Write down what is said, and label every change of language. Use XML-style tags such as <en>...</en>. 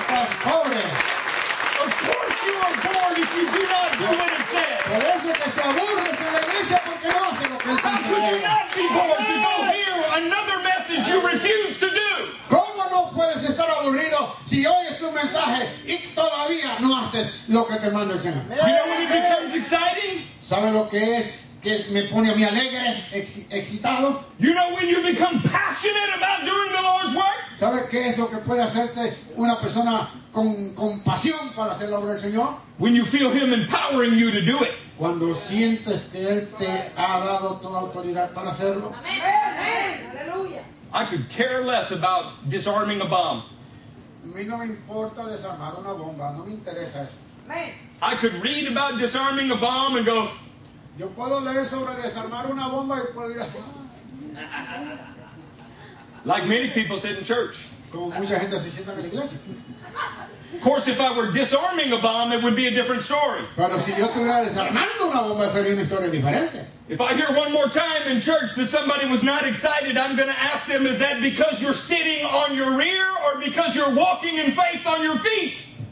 <en>Of course you are bored if you do not do what it says.</en> <es>Por eso que te aburres en la iglesia porque no haces lo que el Señor.</es> <en>How could you not be bored to go hear another message you refuse to do?</en> <es>¿Cómo no puedes estar aburrido si oyes un mensaje y todavía no haces lo que te manda el Señor?</es> <en>You know when it becomes exciting?</en> <es>¿Sabes lo que es que me pone a mí alegre, excitado?</es> <en>You know when you become passionate about doing the Lord's work?</en> <es>¿Sabes qué es lo que puede hacerte una persona con compasión para hacer la obra del Señor?</es> <en>When you feel Him empowering you to do it.</en> <es>Cuando sientes que Él te ha dado toda autoridad para hacerlo.</es> <en>I could care less about disarming a bomb.</en> <es>A mí no me importa desarmar una bomba, no me interesa eso.</es> <en>I could read about disarming a bomb and go.</en> <es>Yo puedo leer sobre desarmar una bomba y puedo ir.</es> <en>Like many people sit in church.</en> <es>Como mucha gente se sienta en la iglesia.</es> <en>Of course, if I were disarming a bomb, it would be a different story.</en> <es>Pero si yo estuviera desarmando una bomba, sería una historia diferente.</es> <en>If I hear one more time in church that somebody was not excited, I'm going to ask them, is that because you're sitting on your rear or because you're walking in faith on your feet?</en>